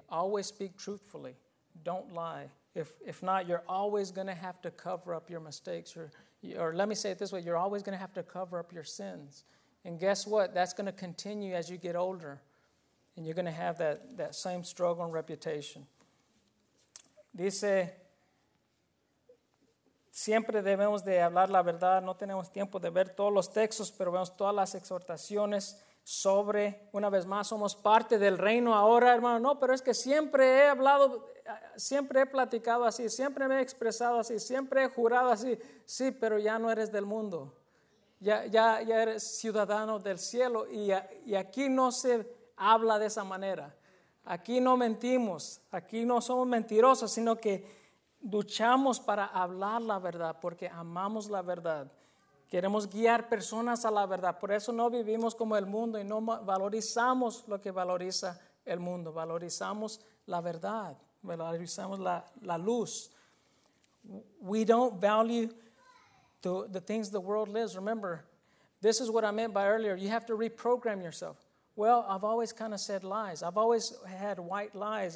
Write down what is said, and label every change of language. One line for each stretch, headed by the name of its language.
English: Always speak truthfully. Don't lie. If not, you're always going to have to cover up your mistakes. Or let me say it this way. You're always going to have to cover up your sins. And guess what? That's going to continue as you get older. And you're going to have that same struggle and reputation.
Spanish: Dice, siempre debemos de hablar la verdad. No tenemos tiempo de ver todos los textos, pero vemos todas las exhortaciones sobre, una vez más, somos parte del reino ahora, hermano. No, pero es que siempre he hablado, siempre he platicado así, siempre me he expresado así, siempre he jurado así. Sí, pero ya no eres del mundo. Ya eres ciudadano del cielo y aquí no se habla de esa manera. Aquí no mentimos, aquí no somos mentirosos, sino que luchamos para hablar la verdad porque amamos la verdad. Queremos guiar personas a la verdad. Por eso no vivimos como el mundo y no valorizamos lo que valoriza el mundo. Valorizamos la verdad. Valorizamos la luz.
English: We don't value the things the world lives. Remember, this is what I meant by earlier. You have to reprogram yourself. Well, I've always kind of said lies. I've always had white lies.